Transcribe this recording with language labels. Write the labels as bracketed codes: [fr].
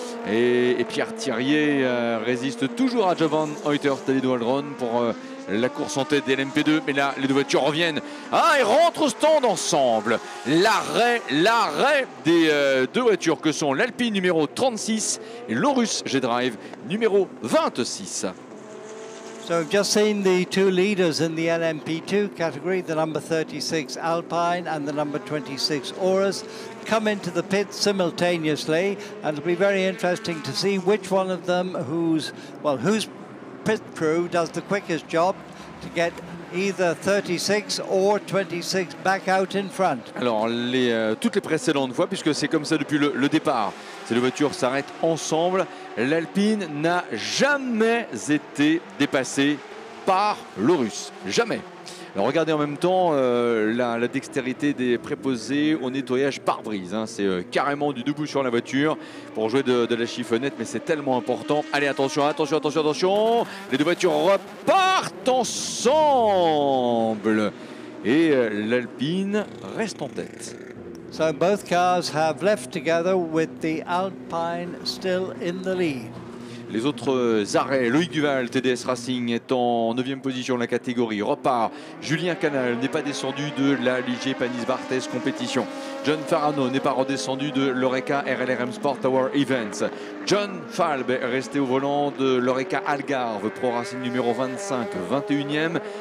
[fr] Et Pierre Thirier résiste toujours à Jovan Heuter, David Waldron pour la course en tête des LMP2. Mais là, les deux voitures reviennent. Ah, et rentrent au stand ensemble. L'arrêt des deux voitures que sont l'Alpine numéro 36 et l'Horus G-Drive numéro 26. [en] So I've just seen the two leaders in the LMP2 category, the number 36 Alpine and the number 26 Auras, come into the pit simultaneously, and it'll be very interesting to see which one of them, whose pit crew does the quickest job, to get either 36 or 26 back out in front. [fr] Alors, toutes les précédentes fois, puisque c'est comme ça depuis le départ, ces deux voitures s'arrêtent ensemble. L'Alpine n'a jamais été dépassée par le Russe. Jamais. Alors regardez en même temps la dextérité des préposés au nettoyage pare-brise. Hein. C'est carrément du debout sur la voiture pour jouer de la chiffonnette, mais c'est tellement important. Allez, attention. Les deux voitures repartent ensemble. Et l'Alpine reste en tête. [en] So both cars have left together with the Alpine still in the lead. [fr] Les autres arrêts, Loïc Duval, TDS Racing, est en 9e position de la catégorie. Repart, Julien Canal n'est pas descendu de la Ligier Panis-Barthes compétition. John Farano n'est pas redescendu de l'Oreca RLRM Sport Tower Events. John Falb est resté au volant de l'Oreca Algarve, Pro Racing numéro 25, 21e.